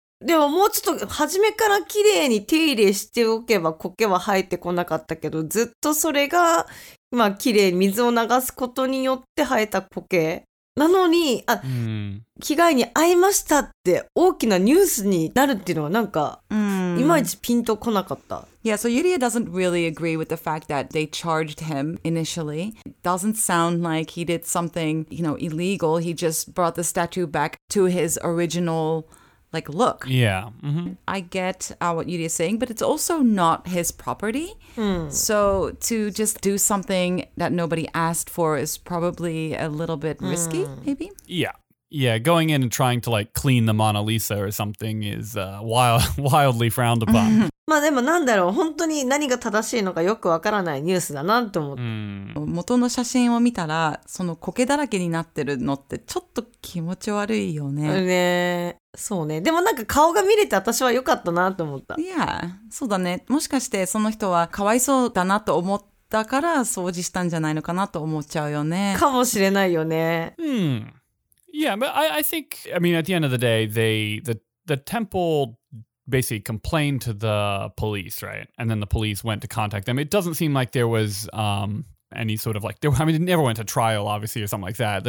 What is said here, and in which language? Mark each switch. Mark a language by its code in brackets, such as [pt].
[ja] でももうちょっと初めから綺麗に手入れしておけば苔は生えてこなかったけどずっとそれがまあ綺麗に水を流すことによって生えた苔なのに、あ、被害に遭いましたって大きなニュースになるっていうのはなんか、いまいちピンとこなかった。 [en] Yeah, so Yuria doesn't really agree with the fact that they charged him initially. Doesn't sound like he did something, you know, illegal. He just brought the statue back to his original, like, look. Yeah. Mm-hmm. I get what Yuria is saying, but it's also not his property. So to just do something that nobody asked for is probably a little bit risky, maybe? Yeah. Yeah, going in and trying to, like, clean the Mona Lisa or something is wildly frowned upon. [ja] まあでもなんだろう、本当に何が正しいのかよくわからないニュースだなと思って。元の写真を見たら、その苔だらけになってるのってちょっと気持ち悪いよね。ね、そうね。でもなんか顔が見れて私は良かったなと思った。いや、そうだね。もしかしてその人はかわいそうだなと思って、だから掃除したんじゃないのかなと思っちゃうよね。かもしれないよね。 [en] Yeah, but I think, I mean, at the end of the day, the temple basically complained to the police, right? And then the police went to contact them. It doesn't seem like there was any sort of like, there, I mean, it never went to trial, obviously, or something like that.